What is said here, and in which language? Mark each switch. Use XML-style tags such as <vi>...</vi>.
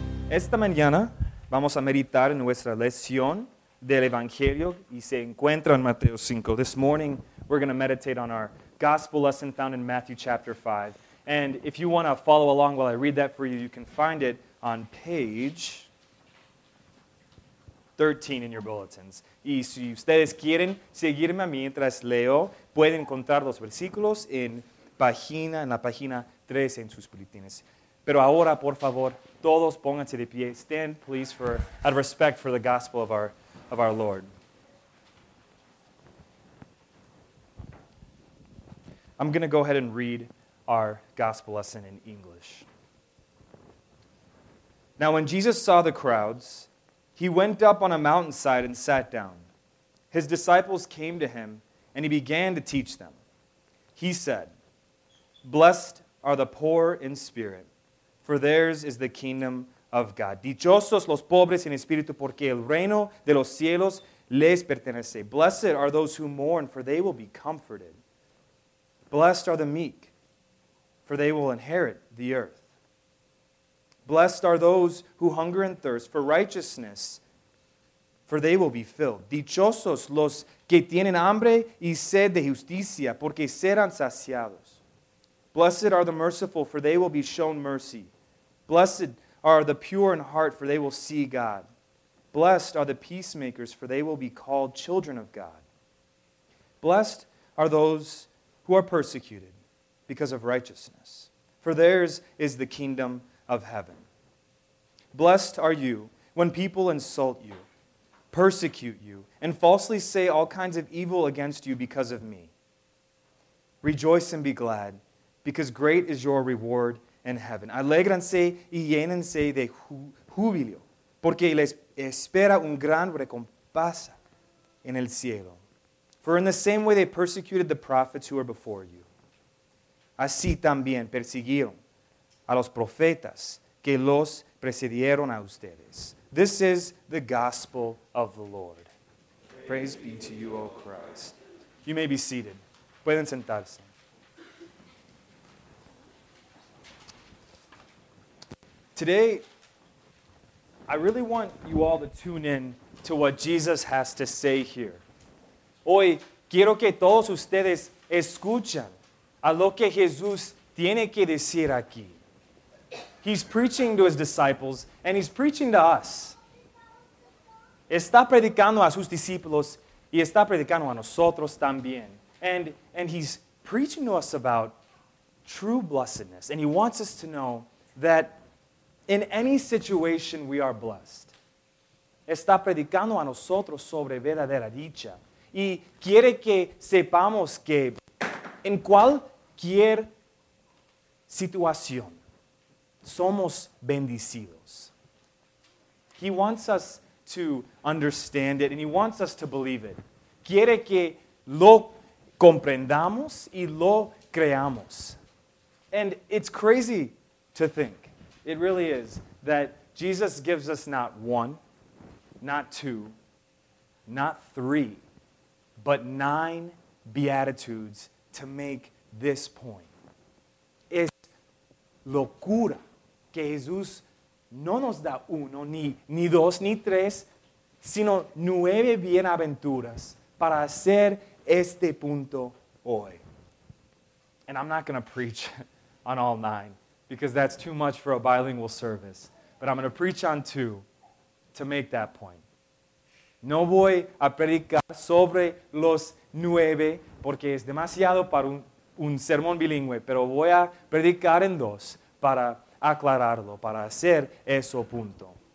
<es>Esta mañana vamos a meditar en nuestra lección del Evangelio y se encuentra en Mateo 5.</es> <en>This morning we're going to meditate on our gospel lesson found in Matthew chapter 5. And if you want to follow along while I read that for you, you can find it on page 13 in your bulletins.</en> <es>Y si ustedes quieren seguirme mientras leo, pueden encontrar los versículos en la página 13 en sus bulletins. Pero ahora, por favor, todos pónganse de pie.</es> <en>Stand, please, for out of respect for the gospel of our Lord. I'm going to go ahead and read our gospel lesson in English. Now when Jesus saw the crowds, he went up on a mountainside and sat down. His disciples came to him, and he began to teach them. He said, "Blessed are the poor in spirit, for theirs is the kingdom of God.</en> <es>Dichosos los pobres en espíritu, porque el reino de los cielos les pertenece.</es> <en>Blessed are those who mourn, for they will be comforted. Blessed are the meek, for they will inherit the earth. Blessed are those who hunger and thirst for righteousness, for they will be filled.</en> <es>Dichosos los que tienen hambre y sed de justicia, porque serán saciados.</es> <en>Blessed are the merciful, for they will be shown mercy. Blessed are the pure in heart, for they will see God. Blessed are the peacemakers, for they will be called children of God. Blessed are those who are persecuted because of righteousness, for theirs is the kingdom of heaven. Blessed are you when people insult you, persecute you, and falsely say all kinds of evil against you because of me. Rejoice and be glad, because great is your reward in heaven.</en> <es>Alégranse y llénense de júbilo, porque les espera un gran recompensa en el cielo.</es> <en>For in the same way they persecuted the prophets who were before you,</en> <es>así también persiguieron a los profetas que los precedieron a ustedes.</es> <en>This is the gospel of the Lord. Praise be to you, O Christ. You may be seated.</en> <es>Pueden sentarse.</es> <en>Today, I really want you all to tune in to what Jesus has to say here.</en> <es>Hoy, quiero que todos ustedes escuchen a lo que Jesús tiene que decir aquí.</es> <en>He's preaching to his disciples, and he's preaching to us.</en> <es>Está predicando a sus discípulos, y está predicando a nosotros también.</es> <en>And he's preaching to us about true blessedness, and he wants us to know that in any situation we are blessed.</en> <es>Está predicando a nosotros sobre verdadera dicha, y quiere que sepamos que en cual cualquier situación, somos bendecidos.</es> <en>He wants us to understand it, and he wants us to believe it.</en> <es>Quiere que lo comprendamos y lo creamos.</es> <en>And it's crazy to think, it really is, that Jesus gives us not one, not two, not three, but nine beatitudes to make this point.</en> <es>Es locura que Jesús no nos da uno, ni dos, ni tres, sino nueve bienaventuras para hacer este punto hoy.</es> <en>And I'm not going to preach on all nine, because that's too much for a bilingual service. But I'm going to preach on two to make that point.</en> <es>No voy a predicar sobre los nueve, porque es demasiado para un sermón bilingüe, pero voy a predicar en dos para aclararlo, para hacer eso punto.</es>